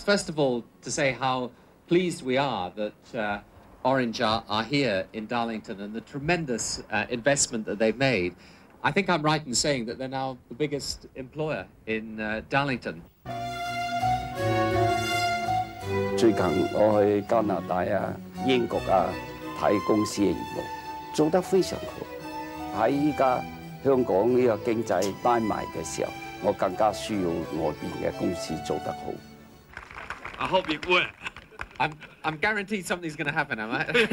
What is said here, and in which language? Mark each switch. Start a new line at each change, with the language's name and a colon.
English: First of all, to say how pleased we are that Orange are here in Darlington and the tremendous investment that they've made. I think I'm right in saying that they're now the biggest employer in Darlington.
Cantonese: 最近我去加拿大啊、英國啊睇公司嘅業務，做得非常好。喺依家香港呢個經濟低迷嘅時候，我更加需要外邊嘅公司做得好。
English: I hope it will. I'm guaranteed something's going to happen, am I?